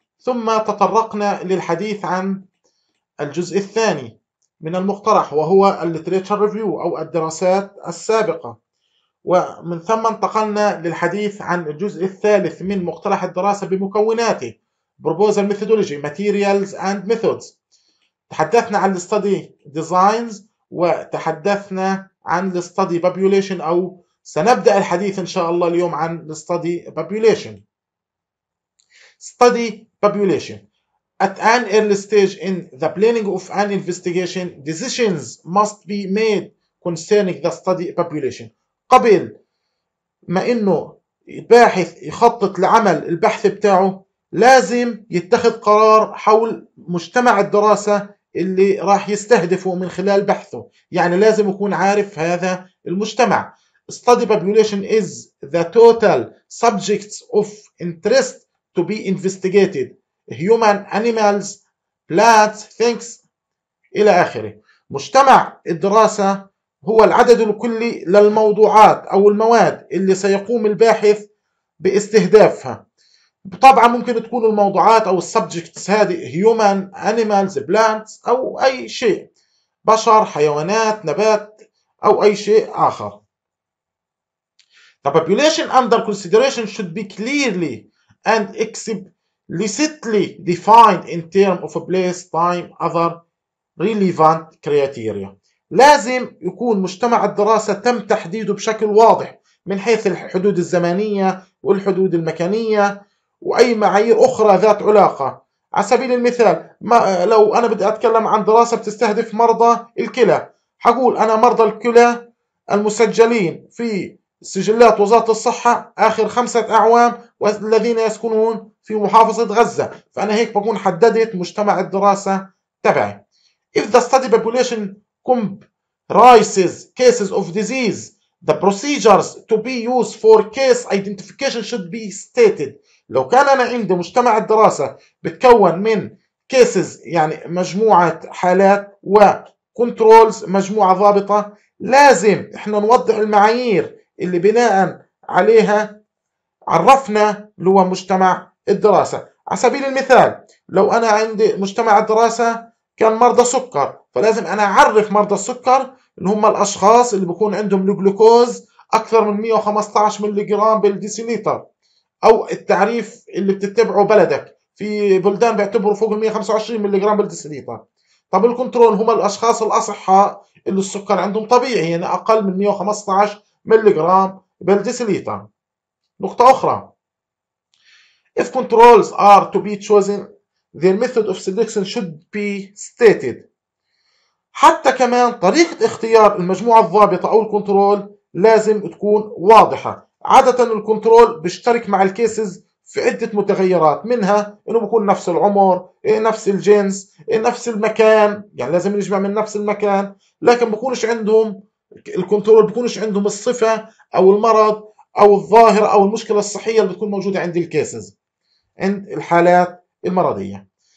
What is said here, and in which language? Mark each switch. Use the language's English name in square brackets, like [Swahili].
[Arabic] ثم تطرقنا للحديث عن الجزء الثاني من المقترح، وهو الليتريتشر ريفيو أو الدراسات السابقة، ومن ثم انتقلنا للحديث عن الجزء الثالث من مقترح الدراسة بمكوناته [English] Proposal Methodology, Materials and Methods. [Arabic] تحدثنا عن Study Designs وتحدثنا عن Study Population، أو سنبدأ الحديث إن شاء الله اليوم عن Study Population. [English] Study Population: At an early stage in the planning of an investigation, decisions must be made concerning the study population. [Arabic] قبل ما انه باحث يخطط لعمل البحث بتاعه، لازم يتخذ قرار حول مجتمع الدراسة اللي راح يستهدفه من خلال بحثه، يعني لازم يكون عارف هذا المجتمع. [English] Study population is the total subjects of interest to be investigated: human, animals, plants, things [Arabic] الى اخره. مجتمع الدراسة هو العدد الكلي للموضوعات أو المواد اللي سيقوم الباحث باستهدافها. طبعا ممكن تكون الموضوعات أو السبجكتس هذه [English] human, animals, plants [Arabic] أو أي شيء، بشر، حيوانات، نبات أو أي شيء آخر. [English] The population under consideration should be clearly and explicitly defined in terms of place, time, other relevant criteria. [Arabic] لازم يكون مجتمع الدراسة تم تحديده بشكل واضح من حيث الحدود الزمانية والحدود المكانية وأي معايير أخرى ذات علاقة. على سبيل المثال، ما لو أنا بدي أتكلم عن دراسة بتستهدف مرضى الكلى، هقول أنا مرضى الكلى المسجلين في سجلات وزارة الصحة آخر 5 أعوام والذين يسكنون في محافظة غزة، فأنا هيك بكون حددت مجتمع الدراسة تبعي. [English] If the study population comprises cases of disease, the procedures to be used for case identification should be stated. [Arabic] لو كان أنا عندي مجتمع الدراسة بتكون من cases، يعني مجموعة حالات، و controls مجموعة ضابطة، لازم إحنا نوضح المعايير اللي بناء عليها عرفنا لو مجتمع الدراسة. على سبيل المثال، لو أنا عندي مجتمع الدراسة كان مرضى سكر، فلازم أنا أعرف مرضى السكر اللي هم الأشخاص اللي بكون عندهم الجلوكوز أكثر من 115 ميلي جرام بالديسيليتر، أو التعريف اللي بتتبعه بلدك، في بلدان بيعتبروا فوق 125 ميلي جرام بالديسيليتر. طب الكنترول هم الأشخاص الأصحاء اللي السكر عندهم طبيعي، يعني أقل من 115 ميلي جرام بالديسيليتر. نقطة أخرى: [English] If controls are to be chosen, their method of selection should be stated. [Arabic] حتى كمان طريقة اختيار المجموعة الضابطة أو الكنترول لازم تكون واضحة. عادة الكنترول بيشترك مع الكيسز في عدة متغيرات، منها إنه بيكون نفس العمر، نفس الجنس، نفس المكان، يعني لازم نجمع من نفس المكان، لكن بيكونش عندهم الكنترول، بيكونش عندهم الصفة أو المرض أو الظاهرة أو المشكلة الصحية اللي بتكون موجودة عند الكيسز، عند الحالات المرضية.